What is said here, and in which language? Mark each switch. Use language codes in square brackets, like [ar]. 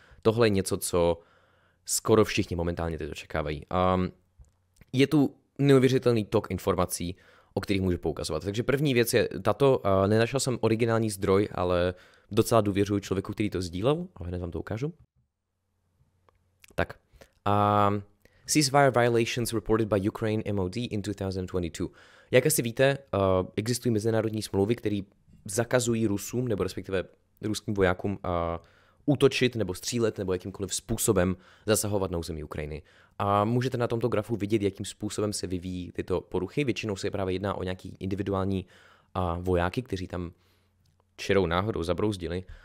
[cs] Tohle je něco, co skoro všichni momentálně teď očekávají. Je tu neuvěřitelný tok informací, o kterých můžu poukazovat. Takže první věc je tato, nenašel jsem originální zdroj, ale docela důvěřuji člověku, který to sdílel, a hned vám to ukážu. Tak. [en] Ceasefire violations reported by Ukraine MOD in 2022. [cs] Jak asi víte, existují mezinárodní smlouvy, které zakazují Rusům nebo respektive ruským vojákům útočit nebo střílet nebo jakýmkoliv způsobem zasahovat na území Ukrajiny. A můžete na tomto grafu vidět, jakým způsobem se vyvíjí tyto poruchy. Většinou se právě jedná o nějaký individuální vojáky, kteří tam čirou náhodou zabrouzdili.